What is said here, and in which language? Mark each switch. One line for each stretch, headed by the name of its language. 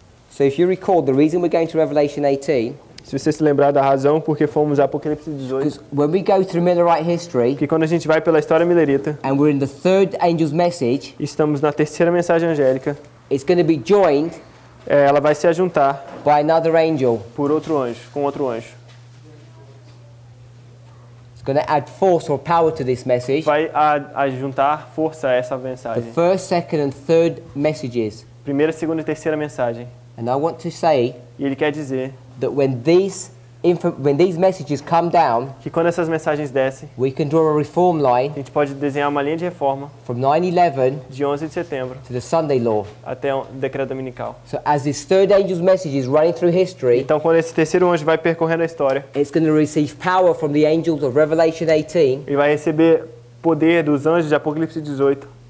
English: So if you recall, the reason we're going to Revelation 18.
Portuguese: Se você se lembrar da razão por que fomos a Apocalipse 18.
English: When we go through Millerite history,
Portuguese: que quando a gente vai pela história millerita,
English: and we're in the third angel's message,
Portuguese: estamos na terceira mensagem angélica,
English: it's going to be joined,
Portuguese: ela vai se ajuntar
English: by another angel,
Portuguese: por outro anjo, com outro anjo.
English: It's going to add force or power to this message.
Portuguese: Vai ajuntar força a essa mensagem.
English: The first, second and third messages.
Portuguese: Primeira, segunda e terceira mensagem.
English: And I want to say,
Portuguese: e ele quer dizer,
English: that when these when these messages come down,
Portuguese: que quando essas mensagens descem,
English: we can draw a reform line,
Portuguese: a gente pode desenhar uma linha de reforma,
English: from 9/11,
Portuguese: de 11 de setembro,
English: to the Sunday law,
Portuguese: até o decreto dominical.
English: So as this third angel's message is running through history,
Portuguese: então quando esse terceiro anjo vai percorrendo a história,
English: it's going to receive power from the angels of Revelation 18,
Portuguese: e vai receber poder dos anjos de Apocalipse 18.